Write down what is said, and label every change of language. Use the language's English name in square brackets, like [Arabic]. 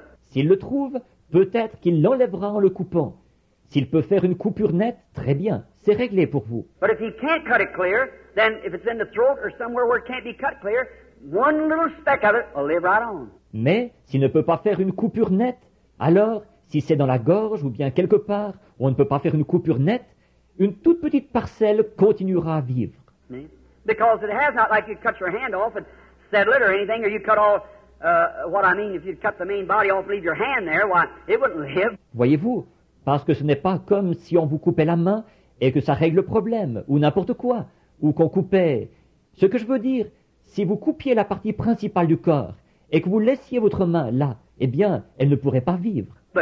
[French] S'il le trouve, peut-être qu'il l'enlèvera en le coupant. S'il peut faire une coupure nette, très bien, c'est réglé pour vous. [English] But if he can't cut it clear, then if it's in the throat or somewhere where it can't be cut clear. One little speck of it will live right on. [French] Mais s'il ne peut pas faire une coupure nette, alors si c'est dans la gorge ou bien quelque part où on ne peut pas faire une coupure nette, une toute petite parcelle continuera à vivre. [English] Because it has not, like you cut your hand off and settle it or anything, or you cut all, what I mean, if you cut the main body off, leave your hand there, why, it wouldn't live. [French] Voyez-vous, parce que ce n'est pas comme si on vous coupait la main et que ça règle le problème, ou n'importe quoi, ou qu'on coupait. Ce que je veux dire, si vous coupiez la partie principale du corps et que vous laissiez votre main là, eh bien, elle ne pourrait pas vivre.